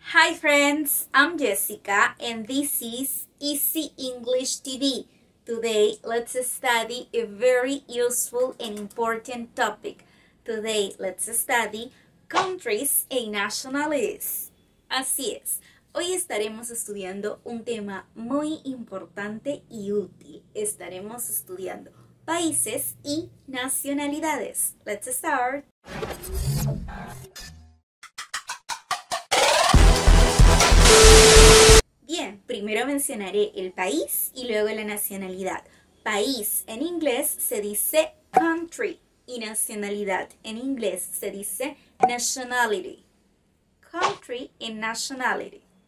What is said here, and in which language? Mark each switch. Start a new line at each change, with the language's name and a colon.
English: Hi friends, I'm Jessica and this is Easy English TV. Today, let's study a very useful and important topic. Today, let's study countries and nationalities.
Spanish: Así es, hoy estaremos estudiando un tema muy importante y útil. Estaremos estudiando países y nacionalidades.
English: Let's start.
Spanish: Bien, primero mencionaré el país y luego la nacionalidad. País en inglés se dice country y nacionalidad en inglés se dice nationality.
English: Country and nationality.